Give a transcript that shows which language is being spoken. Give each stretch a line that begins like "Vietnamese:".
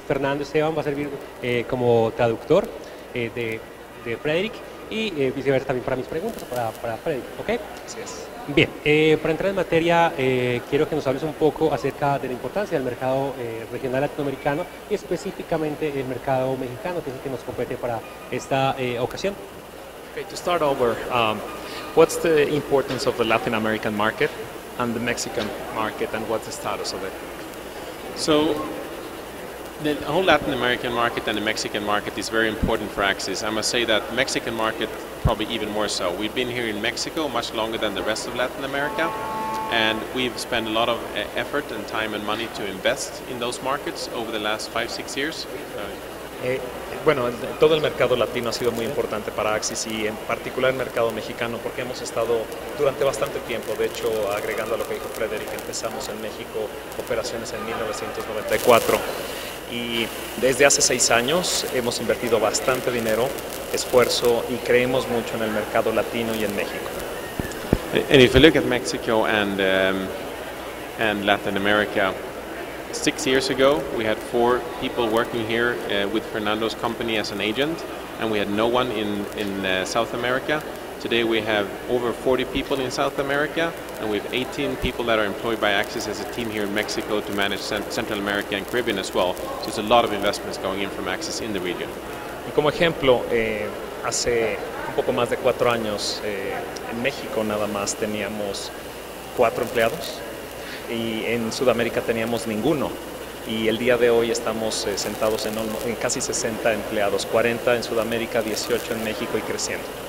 Spanish: Fernando Esteban va a servir como traductor de Fredrik y viceversa también para mis preguntas, para Fredrik, ¿ok? Así es. Bien, para entrar en materia, quiero que nos hables un poco acerca de la importancia del mercado regional latinoamericano y específicamente el mercado mexicano, que es el que nos compete para esta ocasión.
English: Okay, to start over, what's the importance of the Latin American market and the Mexican market, and what's the status of it? So, the whole Latin American market and the Mexican market is very important for Axis. I must say that Mexican market probably even more so. We've been here in Mexico much longer than the rest of Latin America, and we've spent a lot of effort and time and money to invest in those markets over the last 5-6 years.
Spanish: Bueno, todo el mercado latino ha sido muy importante para Axis y en particular el mercado mexicano porque hemos estado durante bastante tiempo, de hecho, agregando a lo que dijo Frederick, empezamos en México operaciones en 1994 y desde hace 6 años hemos invertido bastante dinero, esfuerzo y creemos mucho en el mercado latino y en México.
English: And if you look at Mexico and Latin America, 6 years ago, we had 4 people working here with Fernando's company as an agent, and we had no one in South America. Today we have over 40 people in South America, and we have 18 people that are employed by Axis as a team here in Mexico to manage Central America and Caribbean as well. So it's a lot of investments going in from Axis in the region.
Spanish: Y como ejemplo, hace un poco más de 4 años, en México nada más teníamos 4 empleados. Y en Sudamérica teníamos ninguno. Y el día de hoy estamos sentados en casi 60 empleados, 40 en Sudamérica, 18 en México y creciendo.